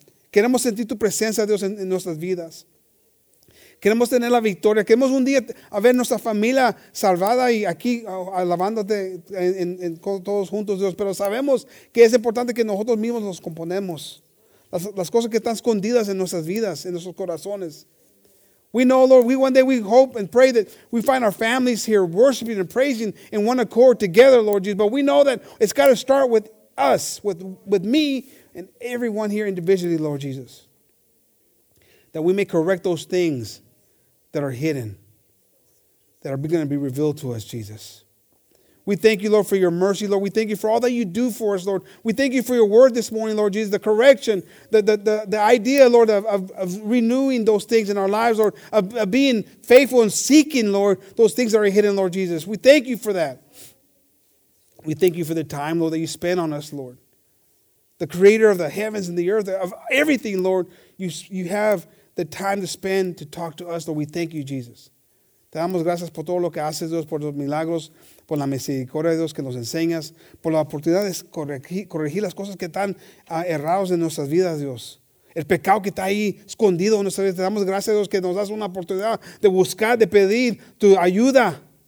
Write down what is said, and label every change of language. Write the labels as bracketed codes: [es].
[es] Queremos sentir tu presencia, Dios, en nuestras vidas. Queremos tener la victoria. Queremos un día ver nuestra familia salvada y aquí alabándote en todos juntos, Dios. Pero sabemos que es importante que nosotros mismos nos componemos. Las cosas que están escondidas en nuestras vidas, en nuestros corazones. [en] We know, Lord, one day we hope and pray that we find our families here worshiping and praising in one accord together, Lord Jesus. But we know that it's got to start with us, with me and everyone here individually, Lord Jesus. That we may correct those things that are hidden, that are going to be revealed to us, Jesus. We thank you, Lord, for your mercy, Lord. We thank you for all that you do for us, Lord. We thank you for your word this morning, Lord Jesus, the correction, the idea, Lord, of renewing those things in our lives, Lord, of being faithful and seeking, Lord, those things that are hidden, Lord Jesus. We thank you for that. We thank you for the time, Lord, that you spent on us, Lord. The creator of the heavens and the earth, of everything, Lord, you have the time to spend to talk to us, Lord. We thank you, Jesus. [es] Te damos gracias por todo lo que haces, Dios, por los milagros, por la misericordia de Dios que nos enseñas, por la oportunidad de corregir las cosas que están errados en nuestras vidas, Dios. El pecado que está ahí escondido en nuestras vidas. Te damos gracias, Dios, que nos das una oportunidad de buscar, de pedir tu ayuda.